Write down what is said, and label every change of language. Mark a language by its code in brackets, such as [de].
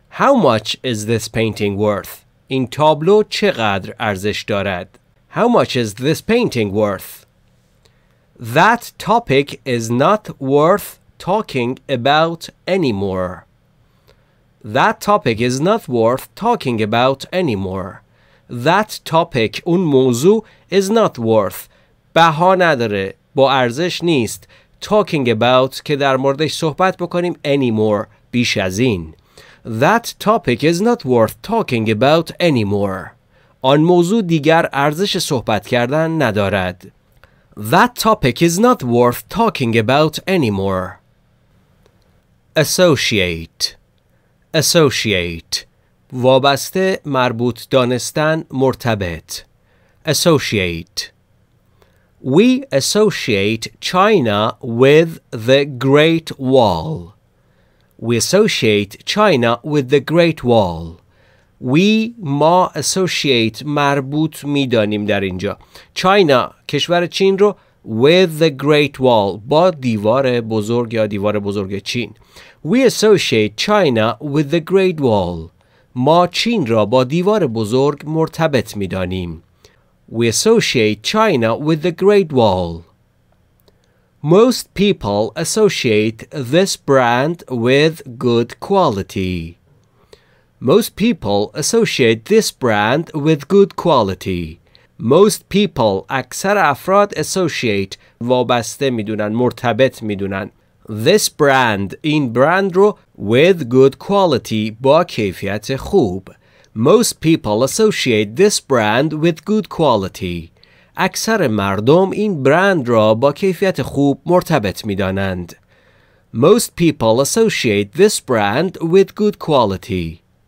[en] How much is this painting worth؟ [fa] این تابلو چقدر ارزش دارد؟ [en] How much is this painting worth؟ That topic is not worth talking about anymore. That topic is not worth talking about anymore. That topic [fa] اون موضوع [en] is not worth [fa] بها نداره با ارزش نیست [en] talking about [fa] که در موردش صحبت بکنیم [en] anymore [fa] بیش از این. [en] That topic is not worth talking about anymore. [fa] آن موضوع دیگر ارزش صحبت کردن ندارد. [en] That topic is not worth talking about anymore. Associate. Associate. [fa] وابسته، مربوط دانستن، مرتبط. Associate. [en] We associate China with the Great Wall. We associate China with the Great Wall. We [fa] ما associate مربوط می دانیم در اینجا. China کشور چین رو [en] with the Great Wall [fa] با دیوار بزرگ یا دیوار بزرگ چین. [en] We associate China with the Great Wall. [fa] ما چین را با دیوار بزرگ مرتبط می دانیم. [en] We associate China with the Great Wall. Most people associate this brand with good quality. Most people associate this brand with good quality. Most people, [fa] اکثر افراد associate, وابسته میدونن, مرتبط میدونن. [en] This brand, [fa] این brand رو, [en] with good quality, [fa] با کیفیت خوب. [en] Most people associate this brand with good quality. [fa] اکثر مردم این برند را با کیفیت خوب مرتبط می دانند. [en] Most people associate this brand with good quality.